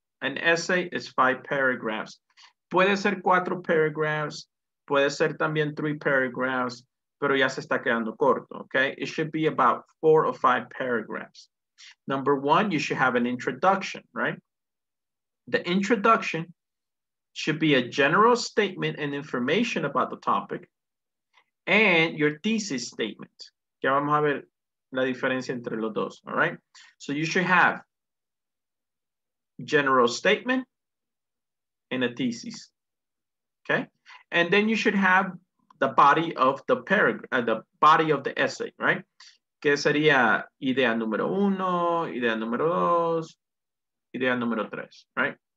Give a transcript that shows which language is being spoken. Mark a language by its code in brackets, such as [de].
[en] An essay is 5 paragraphs. [es] Puede ser 4 paragraphs, puede ser también 3 paragraphs, pero ya se está quedando corto, [en] okay? It should be about 4 or 5 paragraphs. Number one, you should have an introduction, right? The introduction should be a general statement and information about the topic and your thesis statement. [es] Ya vamos a ver la diferencia entre los dos, all right? [en] So you should have general statement and a thesis, okay? And then you should have the body of the paragraph, the body of the essay, right? [es] Que sería idea número uno, idea número dos, idea número tres, right?